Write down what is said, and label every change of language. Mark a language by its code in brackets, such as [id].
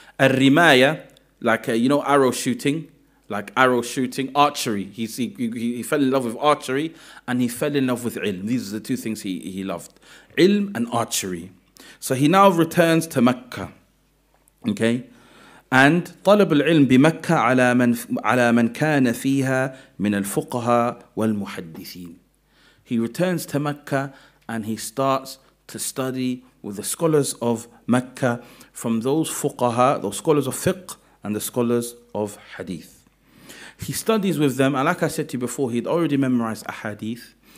[en] Al-Rimaya, like, you know, arrow shooting, archery. He fell in love with archery and he fell in love with ilm. These are the two things he loved, ilm and archery. So he now returns to Mecca, okay? [ar] And طلب العلم بمكة على من كان فيها من الفقهاء والمحدثين. [en] He returns to Mecca and he starts to study with the scholars of Mecca, from those fuqaha, those scholars of fiqh and the scholars of hadith. He studies with them, and like I said to you before, he'd already memorized a hadith.